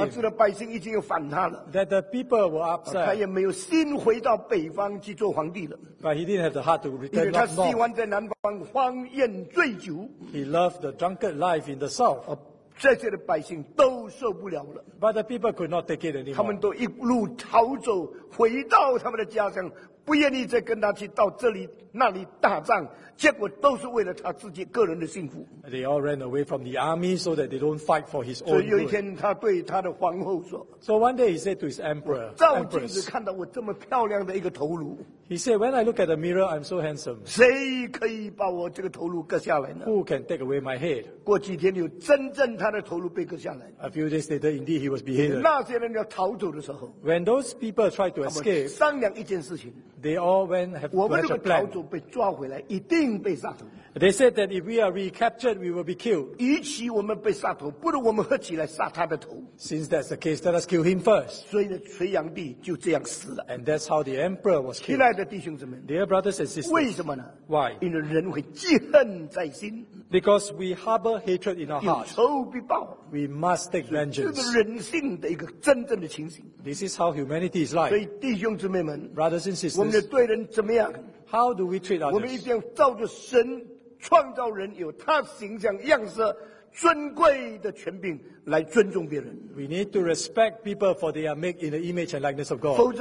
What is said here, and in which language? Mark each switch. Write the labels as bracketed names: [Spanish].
[Chinese] 他知道百姓已经要反他了。 [English] That the people were upset. [Chinese] 他也没有心回到北方去做皇帝了。 [English] But he didn't have the heart to return back north. [Chinese] 因为他喜欢在南方荒宴醉酒。 [English] He loved the drunken life in the south. [Chinese] 这些的百姓都受不了了。 [English] But the people could not take it anymore. [Chinese] 他们都一路逃走，回到他们的家乡。不愿意再跟他去到这里那里打仗，结果都是为了他自己个人的幸福。 [English] They all ran away from the army so that they don't fight for his own good. [Chinese] 所以有一天，他对他的皇后说 [English] ：“So one day he said to his emperor, [Chinese] 照镜子看到我这么漂亮的一个头颅。 [English] He said, when I look at the mirror, I'm so handsome. [Chinese] 谁可以把我这个头颅割下来呢 [English] ？Who can take away my head? [Chinese] 过几天，有真正他的头颅被割下来。 [English] A few days later, indeed he was beheaded. [Chinese] 那些人要逃走的时候 [English] ，When those people tried to escape, [Chinese] 他们商量一件事情。 [English] They all went have to plan. [Chinese] 我们如果逃走被抓回来，一定被杀头。 [English] They said that if we are recaptured, we will be killed. [Chinese] 与其我们被杀头, 不如我们合起来杀他的头。 [English] Since that's the case, let us kill him first. [Chinese] 所以呢,垂杨帝就这样死了。 [English] And that's how the emperor was killed. [Chinese] 亲爱的弟兄姊妹, [English] Dear brothers and sisters, [Chinese] 为什么呢? [English] Why? [Chinese] 因为人会记恨在心。 [English] Because we harbor hatred in our hearts. [Chinese] 有仇必报。 [English] We must take vengeance. [Chinese] 这是人性的一个真正的情形。 [English] This is how humanity is like. [Chinese] 所以弟兄姊妹们, [English] brothers and sisters, [Chinese] 我们对人怎么样? [English] How do we treat others? [Chinese] 我们一定要照着神 创造人有他形象样式尊贵的权柄来尊重别人。 [English] We need to respect people for they are made in the image and likeness of God.